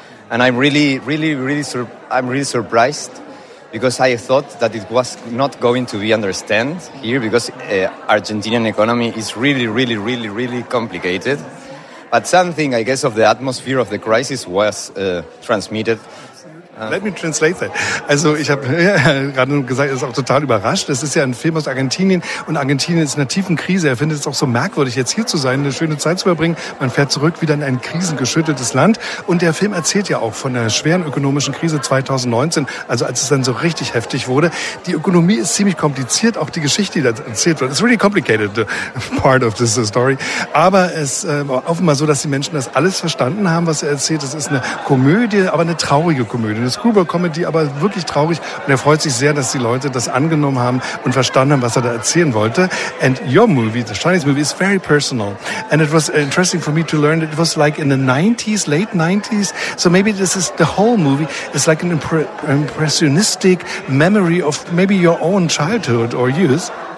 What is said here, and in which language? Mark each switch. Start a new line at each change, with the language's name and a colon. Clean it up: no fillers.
English: And I'm really surprised, because I thought that it was not going to be understood here, because Argentinian economy is really, really, really, really complicated. But something, I guess, of the atmosphere of the crisis was transmitted. Let me translate that.
German: Also ich habe gerade gesagt, er ist auch total überrascht. Das ist ja ein Film aus Argentinien und Argentinien ist in einer tiefen Krise. Er findet es auch so merkwürdig, jetzt hier zu sein, eine schöne Zeit zu verbringen. Man fährt zurück wieder in ein krisengeschütteltes Land. Und der Film erzählt ja auch von der schweren ökonomischen Krise 2019, also als es dann so richtig heftig wurde. Die Ökonomie ist ziemlich kompliziert, auch die Geschichte, die da erzählt wird.
English: It's really complicated, the part of this story.
German: Aber es war offenbar so, dass die Menschen das alles verstanden haben, was er erzählt. Es ist eine Komödie, aber eine traurige Komödie. Eine Screwball-Comedy, aber wirklich traurig. Und er freut sich sehr, dass die Leute das angenommen haben und verstanden haben, was er da erzählen wollte.
English: And your movie, the Chinese movie, is very personal. And it was interesting for me to learn that it was like in the 90s, late 90s. So maybe this is the whole movie. It's like an impressionistic memory of maybe your own childhood or youth.